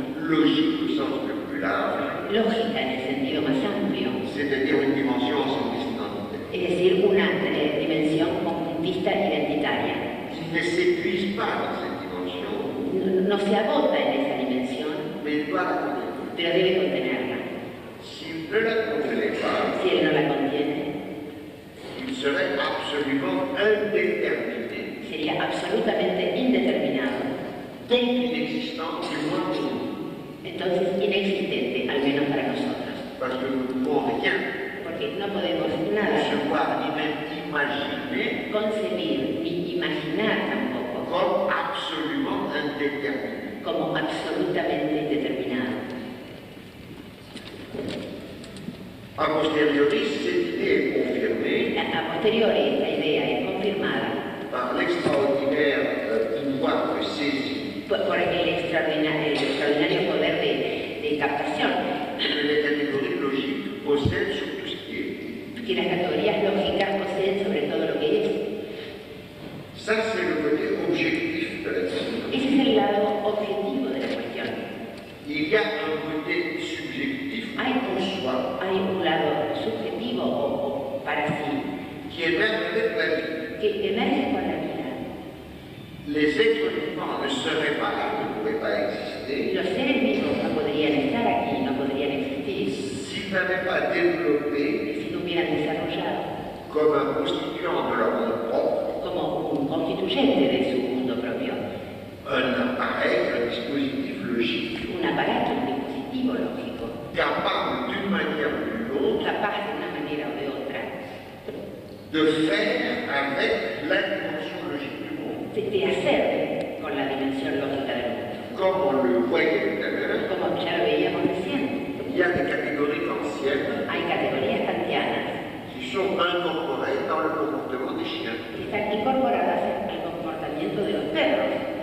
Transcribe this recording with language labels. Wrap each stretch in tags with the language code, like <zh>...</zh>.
<fr>logique au sens le plus large,</fr> <es>lógica en el sentido más amplio,</es> <fr>c'est-à-dire une dimension sans distance,</fr> <es>es decir, una dimensión conjuntista identitaria.</es> <fr>Si ne s'épuise pas dans cette dimension,</fr> <es>no se agota en esa dimensión,</es> <fr>mais doit contenir,</fr> <es>pero debe contenerla. Si él no la contiene,</es> <fr>il serait absolument indéterminé.</fr> <es>Sería absolutamente indeterminado.</es> <fr>Donc inexistant, du moins pour nous.</fr> <es>Entonces inexistente, al menos para nosotros.</es> <fr>Parce que nous ne pouvons rien.</fr> <es>Porque no podemos nada.</es> <fr>Concevoir ni même imaginer.</fr> <es>Concebir ni imaginar tampoco.</es> <fr>Comme absolument indéterminé.</fr> <es>Como absolutamente indeterminado.</es> <fr>A posteriori, cette idée est confirmée.</fr> <es>A posteriori, esta idea es confirmada.</es> <fr>Par l'extraordinaire pouvoir de saisie.</fr> <es>Por el extraordinario poder de captación.</es> <fr>Que les catégories logiques possèdent sur tout ce qui est.</fr> <es>Que las categorías lógicas poseen sobre todo lo que es.</es> <fr>Ça, c'est le côté objectif de la question.</fr> <es>Ese es el lado objetivo de la cuestión.</es> <fr>Il y a un côté subjectif.</fr> <es>Hay un lado subjetivo o para sí</es> <fr>qui émerge la vie.</fr> <es>Que emerge con la vida.</es> <fr>Les êtres vivants ne seraient pas là, ne pourraient pas exister.</fr> <es>Los seres vivos no podrían estar aquí, no podrían existir.</es> <fr>S'ils n'avaient pas développé,</fr> <es>si no hubieran desarrollado,</es> <fr>comme un constituant de leur monde propre,</fr> <es>como un constituyente de su mundo propio,</es> <fr>un appareil, un dispositif logique,</fr> <es>un aparato, un dispositif. biológico, capaz de una manera o de otra,</es> <fr>de faire avec la dimension logique du monde,</fr> <es>de hacer con la dimensión lógica del mundo, como lo puede tener, como ya lo veíamos recién. Y hay categorías kantianas, hay categorías kantianas, que son incorporadas al comportamiento de chien, que están incorporadas al comportamiento de los perros.</es>